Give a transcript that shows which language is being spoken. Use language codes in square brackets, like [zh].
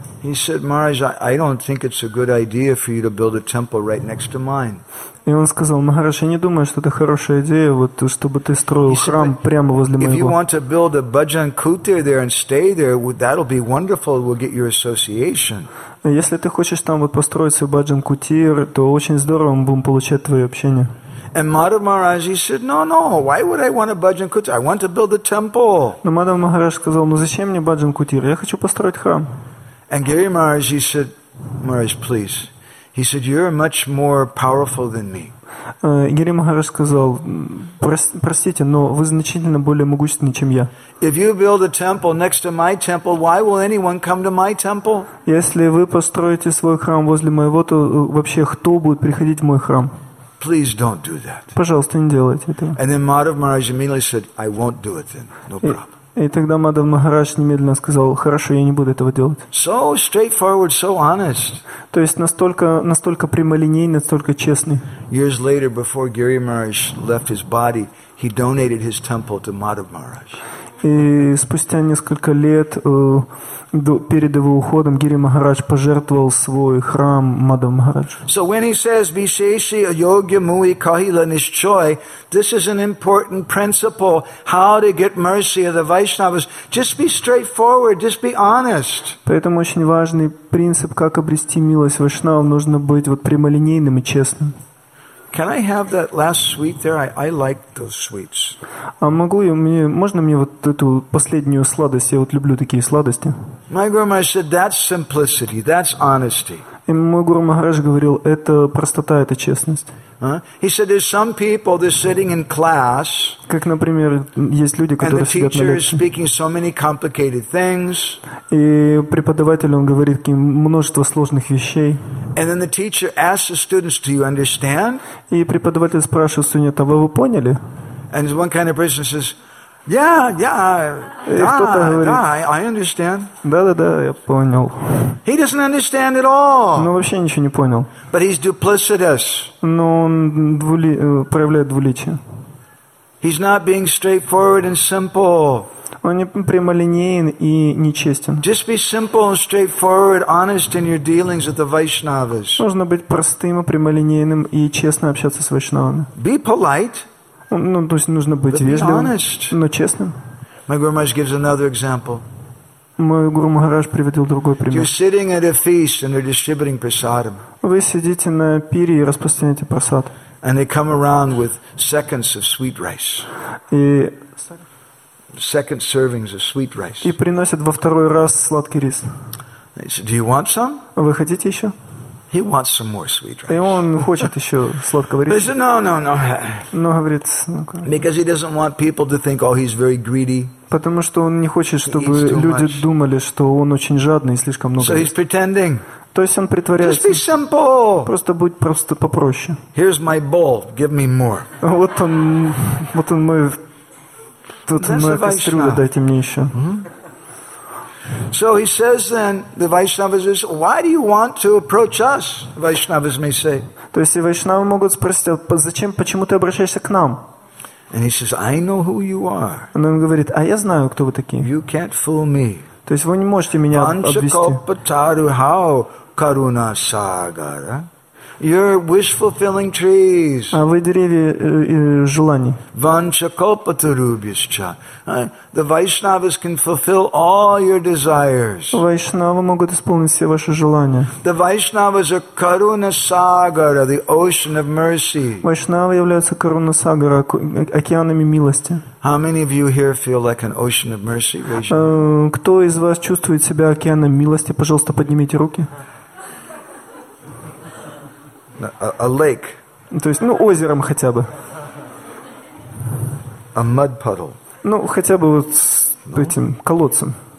[en] He said, Maharaj, I don't think it's a good idea for you to build a temple right next to mine. [ru] И он сказал, Махарадж, я не думаю, что это хорошая идея, вот, чтобы ты строил храм прямо возле моего. [en] If you want to build a bhajan kutir there and stay there, that'll be wonderful. We'll get your association. [ru] Если ты хочешь там вот построить свой bhajan kutir, то очень здорово, мы будем получать твое общение. [en] And Madhav Maharaj, he said, no, why would I want a bhajan kutir? I want to build a temple. [ru] Но Мадхав Махарадж сказал, ну зачем мне bhajan kutir? Я хочу построить храм. [en] And Giri Maharaj, he said, Maharaj, please. He said, you're much more powerful than me. [ru] Гири Махарадж сказал, простите, но вы значительно более могущественны, чем я. [en] If you build a temple next to my temple, why will anyone come to my temple? [ru] Если вы построите свой храм возле моего, то вообще кто будет приходить в мой храм? [en] Please don't do that. [ru] Пожалуйста, не делайте этого. [en] And then Madhav Maharaj immediately said, I won't do it then. No problem. [ru] И тогда Мадхав Махарадж немедленно сказал, хорошо, я не буду этого делать. [en] So straightforward, so honest. [ru] То есть настолько прямолинейный, настолько честный. [en] Years later, before Giri Maharaj left his body, he donated his temple to Madhav Maharaj. [ru] И спустя несколько лет перед его уходом Гири Махарадж пожертвовал свой храм Мадхава Махараджу. [en] So when he says [bn] Вишеши Йогья Муи Кахила Нишчой, [en] this is an important principle, how to get mercy of the Vaishnavas. Just be straightforward, just be honest. [ru] Поэтому очень важный принцип, как обрести милость Вайшнава, нужно быть вот прямолинейным и честным. [en] Can I have that last sweet there? I like those sweets. [ru] А могу я мне, можно мне вот эту последнюю сладость? Я вот люблю такие сладости. [en] My Guru Maharaj said, that's simplicity, that's honesty. [ru] И мой Гуру Махарадж говорил, это простота, это честность. [en] He said, there's some people that are sitting in class. [ru] Как, например, есть люди, которые сидят на лекции. [en] And the teacher is speaking so many complicated things. [ru] И преподаватель, он говорит таким множество сложных вещей. [en] And then the teacher asks the students, do you understand? [ru] И преподаватель спрашивает студента, вы поняли? [en] And one kind of person says, Yeah, I understand. [ru] Да, я понял. [en] He doesn't understand at all. [ru] Но вообще ничего не понял. [en] But he's duplicitous. [ru] Но он проявляет двуличие. [en] He's not being straightforward and simple. [ru] Он не прямолинеен и нечестен. [en] Just be simple and straightforward, honest in your dealings with the Vaishnavas. [ru] Нужно быть простым и прямолинейным и честно общаться с вайшнавами. [en] Be polite. [ru] Ну, то есть нужно быть вежливым, но честным. [en] My Guru Maharaj gives another example. [ru] Мой Гуру Махарадж приводил другой пример. [en] You're sitting at a feast and they're distributing prasadam. [ru] Вы сидите на пире и распространяете просад. [en] And they come around with seconds of sweet rice. [ru] И [en] second servings of sweet rice. [ru] И приносят во второй раз сладкий рис. [en] They say, "Do you want some?" [ru] Вы хотите еще? [en] He wants some more sweet rice. [ru] И он хочет еще сладкого риса. [en] He said, no. [ru] Но говорит, [en] Because he doesn't want people to think, oh, he's very greedy. [ru] Потому что он не хочет, чтобы люди думали, что он очень жадный и слишком много. [en] So he's pretending. [ru] То есть он притворяется. [en] Just be simple. [ru] Просто будь просто попроще. [en] Here's my bowl. Give me more. [ru] Вот он мой. Тут моя кастрюля. Дайте мне еще. [en] So he says then, the Vaishnavas says, why do you want to approach us? Vaishnavas may say. [ru] То есть Вайшнавы могут спросить, зачем, почему ты обращаешься к нам? [en] And he says, I know who you are. [ru] Он говорит, а я знаю, кто вы такие. [en] You can't fool me. [ru] То есть вы не можете меня обвести. [en] Karuna Sagara. You're wish fulfilling trees. [ru] А вы деревья желаний. [sa] Ванчакопатарубисча. [en] The Vaishnavas can fulfill all your desires. [ru] Вайшнавы могут исполнить все ваши желания. [en] The Vaishnavas are Karuna Sagara, the ocean of mercy. [ru] Вайшнавы являются Karuna Sagara, океанами милости. [en] How many of you here feel like an ocean of mercy? [ru] Кто из вас чувствует себя океаном милости? Пожалуйста, поднимите руки. [en] A lake. [ru] То есть, ну, озером хотя бы. [en] A mud puddle. [ru] Ну, хотя бы вот с этим колодцем.